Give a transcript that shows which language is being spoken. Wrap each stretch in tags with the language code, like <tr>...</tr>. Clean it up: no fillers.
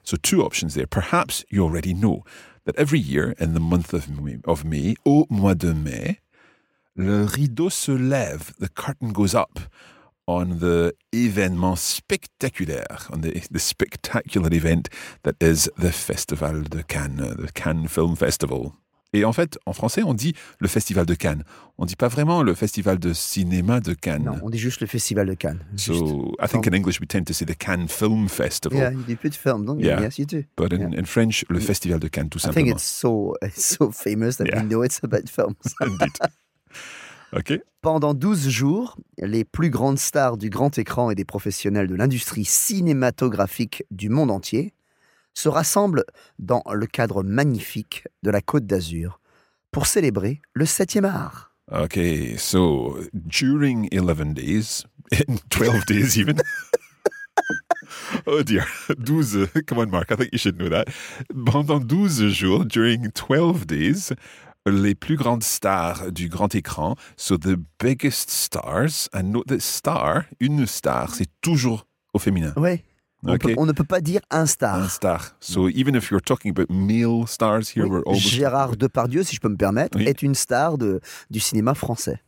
<en>So two options there. Perhaps you already know that every year in the month of May,</en> <fr>au mois de mai, le rideau se lève,</fr> <en>the curtain goes up, on the</en> <fr>événement spectaculaire,</fr> <en>on the spectacular event that is the Festival de Cannes, the Cannes Film Festival.</en> <fr>Et en fait, en français, on dit le Festival de Cannes. On ne dit pas vraiment le Festival de cinéma de Cannes. Non, on dit juste le Festival de Cannes.</fr> <en>So,</en> <fr>juste.</fr> <en>I think in English we tend to say the Cannes Film Festival. Yeah, you do put film, don't you? Yeah. Yes, you do. But in French,</en> <fr>le Festival de Cannes, tout simplement.</fr> <en>I think it's so famous that we know it's about films. Indeed. Okay.</en> <fr>Pendant 12 jours, les plus grandes stars du grand écran et des professionnels de l'industrie cinématographique du monde entier se rassemblent dans le cadre magnifique de la Côte d'Azur pour célébrer le 7e art.</fr> <en>Ok, so, during 11 days, in 12 days even... Oh dear, 12, come on Mark, I think you should know that.</en> <fr>Pendant 12 jours,</fr> <en>during 12 days...</en> <fr>Les plus grandes stars du grand écran,</fr> <en>so the biggest stars, and note that star,</en> <fr>une star, c'est toujours au féminin. Oui, on ne peut pas dire un star. Un star,</fr> <en>so even if you're talking about male stars here, we're always...</en> <fr>Gérard Depardieu, si je peux me permettre, est une star du cinéma français.</fr>